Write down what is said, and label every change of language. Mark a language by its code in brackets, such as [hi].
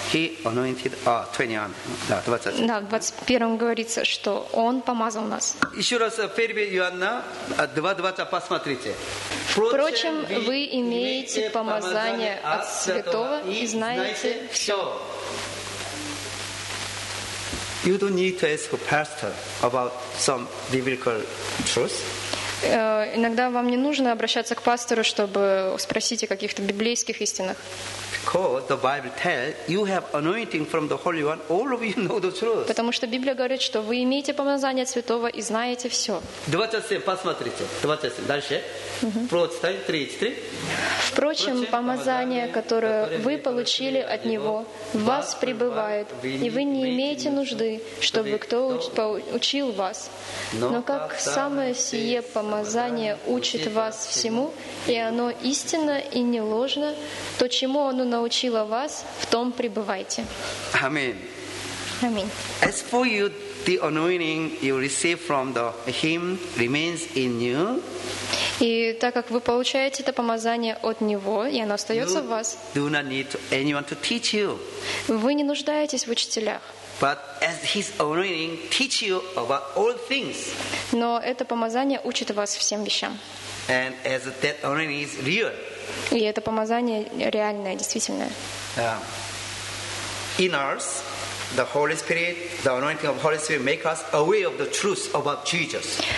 [en] He anointed us. 21. [ru] Да, 21. Да, в 21 говорится, что Он помазал нас. Еще раз, 1 Иоанна 2:20, посмотрите. Впрочем, вы имеете помазание от святого и знаете все. [en] You don't need to ask a pastor about some biblical truth. [ru] Иногда вам не нужно обращаться к пастору, чтобы спросить о каких-то библейских истинах. [en] Because the Bible tells you have anointing from the Holy One, all of you know the truth. [ru] Потому что Библия говорит, что вы имеете помазание святого и знаете все. 27, посмотрите. 27. Дальше. Прочитай 33. Впрочем, помазание, которое вы получили от Него, в вас пребывает, и вы не имеете нужды, чтобы кто учил вас. Но как самое сие помазание учит вас всему, и оно истинно и не ложно, то чему оно научило вас, в том пребывайте. Аминь. [en] As for you, the anointing you receive from the Him remains in you. [ru] И так как вы получаете это помазание от Него, и оно остается [en] you [ru] в вас, [en] do not need anyone to teach you. [ru] Вы не нуждаетесь в учителях. [en] But as His anointing teach you about all things. [ru] Но это помазание учит вас всем вещам. [en] And as that anointing is real. [ru] И это помазание реальное, действительное. [en] In us, the Holy Spirit, the anointing of the Holy Spirit make us aware of the truth about Jesus.